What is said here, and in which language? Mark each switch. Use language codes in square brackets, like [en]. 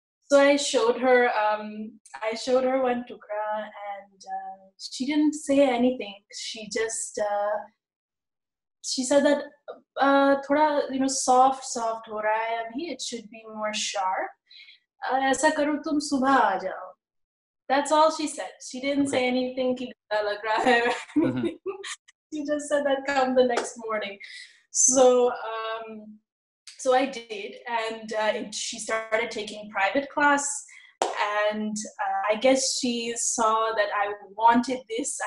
[en] So I showed her one tukra, and she didn't say anything. She just, she said that, [hi] थोड़ा, [en] you know, soft [hi] हो रहा है अभी, [en] it should be more sharp. [hi] ऐसा करो तुम सुबह आ जाओ. [en] That's all she said. She didn't okay. say anything. Mm-hmm. She just said that come the next morning. So so I did. And she started taking private class. And I guess she saw that I wanted this.